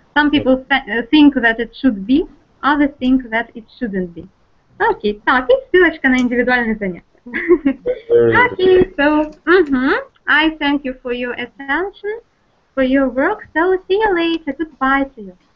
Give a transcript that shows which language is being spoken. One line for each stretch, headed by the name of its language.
English: Some people think that it should be, others think that it shouldn't be.
Russian: Okay, так, и ссылочка на индивидуальные занятия.
English: Okay, so, I thank you for your attention, for your work, so see you later, goodbye to you.